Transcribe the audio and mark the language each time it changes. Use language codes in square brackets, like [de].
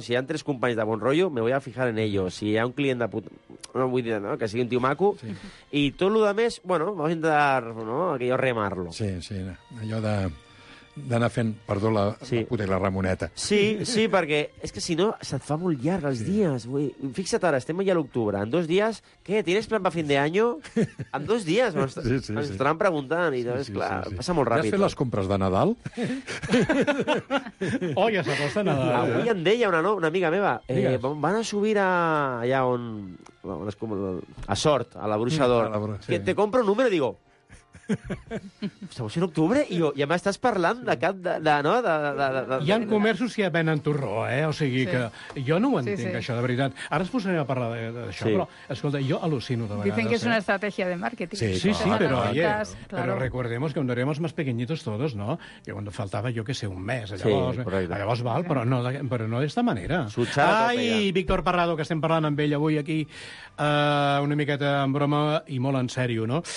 [ca] Si hi ha tres companys de bon rollo, [es] me voy a fijar en ellos. [ca] Si hi ha un client de puta... No vull dir, no?, que sigui un tio maco. Sí. I tot el que més, bueno, [es] vamos a intentar, [ca] no?, aquello remar-lo. Sí, sí, allò de... d'anar fent, perdó, la, sí, la puta i la Ramoneta. Sí, sí, perquè és que si no se't fa molt llarg els dies. Fixa't ara, estem ja a l'octubre. En dos dies, què, [es] tienes plan para fin de año? [ca] En dos dies ens estaran preguntant i llavors, sí, sí, clar, sí, sí, passa molt ràpid. Ja has fet les compres de Nadal? Oh, ja s'acosta Nadal. Avui en deia una amiga meva, van a subir a allà on... Bueno, és com a Sort, a la Bruixa d'Or. Sí. [es] Que te compro un número [ca] i digo... [es] Estamos en octubre [ca] i jo, ja m'estàs parlant de cap de, no? De... Hi ha comerços que ja venen torró, eh? O sigui que jo no ho entenc, això, de veritat. Ara es posarem a parlar d'això, però, escolta, jo al·lucino de vegades. [es] Dicen que [ca] és una estratègia de màrqueting. [es] Sí, sí, sí, però, oye, pero recordemos que cuando éramos más pequeñitos todos, ¿no? Que cuando faltaba, yo que sé, un mes, [ca] llavors val, però no d'esta manera. Ai, Víctor Parrado, que estem parlant amb ell avui aquí, una miqueta en broma i molt en sèrio, no?